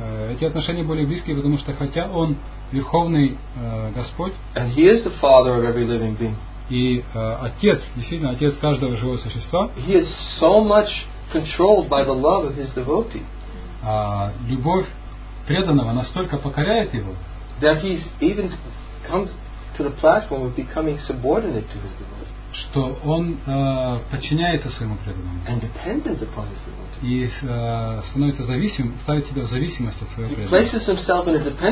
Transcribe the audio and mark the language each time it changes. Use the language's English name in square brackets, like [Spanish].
[Russian] эти отношения более близкие, потому что хотя он Верховный Господь, [English] and he is the father of every living being, [Russian] и отец, действительно отец каждого живого существа, [English] he is so much controlled by the love of his devotee, [Russian] любовь преданного настолько покоряет его, [English] that he's even come to the platform of becoming subordinate to his devotee, [Russian] что он подчиняется своему преданному и становится зависим, ставит себя в зависимость от своего